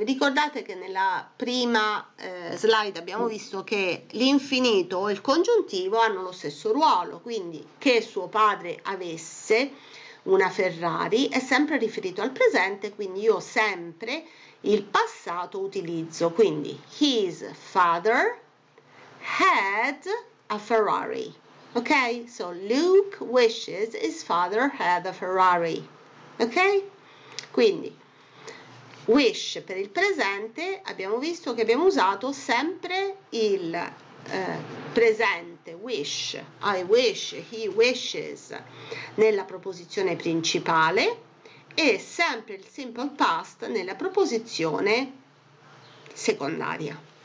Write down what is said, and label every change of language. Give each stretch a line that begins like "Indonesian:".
Italian: Ricordate che nella prima slide abbiamo visto che l'infinito o il congiuntivo hanno lo stesso ruolo, quindi che suo padre avesse. Una Ferrari è sempre riferito al presente, quindi io sempre il passato utilizzo.
English: Quindi, his father had a Ferrari. Okay, so Luke wishes his father had a Ferrari. Okay?
Italian: Quindi, wish per il presente, abbiamo visto che abbiamo usato sempre il presente, wish, I wish, he wishes, nella proposizione principale e sempre il simple past nella proposizione secondaria.